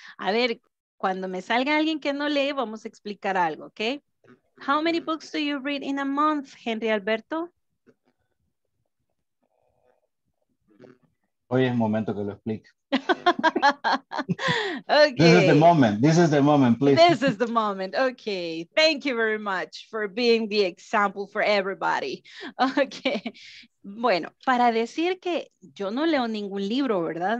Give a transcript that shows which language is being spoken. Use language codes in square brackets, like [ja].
[es] A ver, cuando me salga alguien que no lee, vamos a explicar algo, ¿ok? [en] How many books do you read in a month, Henry Alberto? [es] Hoy es el momento que lo explique. Okay. [en] This is the moment, please. This is the moment, okay. Thank you very much for being the example for everybody. Okay. [es] Bueno, para decir que yo no leo ningún libro, ¿verdad?